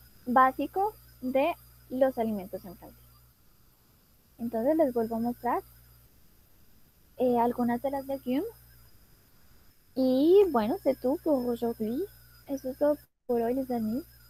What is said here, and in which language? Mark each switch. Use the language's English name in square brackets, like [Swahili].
[Spanish] básicos de los alimentos en Francia. Entonces les vuelvo a mostrar algunas de las legumes. Y bueno, [French] c'est tout pour aujourd'hui. [Spanish] Eso es todo por hoy, [French] les amis.